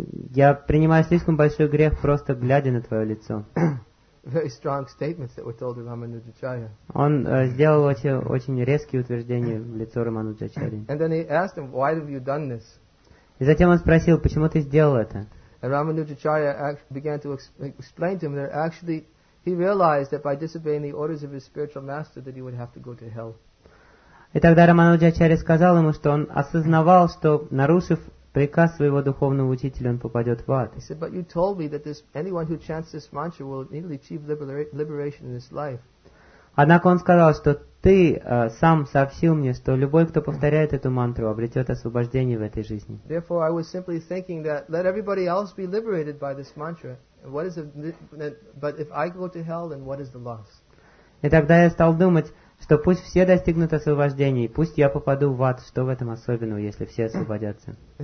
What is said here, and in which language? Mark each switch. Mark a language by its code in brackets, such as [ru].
[ru] Я принимаю слишком большой грех, просто глядя на твое лицо. [en] Very strong statements that were told to Ramanujacharya. [ru] Он сделал очень резкие утверждения в лицо Рамануджачарьи. [en] And then he asked him, "Why have you done this?" [ru] И затем он спросил, почему ты сделал это? [en] And Ramanujacharya began to explain to him that actually he realized that by disobeying the orders of his spiritual master that he would have to go to hell. [ru] И тогда Рамануджачарья сказал ему, что он осознавал, что нарушив приказ своего духовного учителя, он попадет в ад. [en] He said, but you told me that this anyone who chants this mantra will immediately achieve liberation in this life. [ru] Однако он сказал, что ты сам сообщил мне, что любой, кто повторяет эту мантру, обретет освобождение в этой жизни. [en] Therefore, I was simply thinking that let everybody else be liberated by this mantra. What is the, but if I go to hell, then what is the loss? [ru] И тогда я стал думать, что пусть все достигнут освобождения, и пусть я попаду в ад, что в этом особенного, если все освободятся.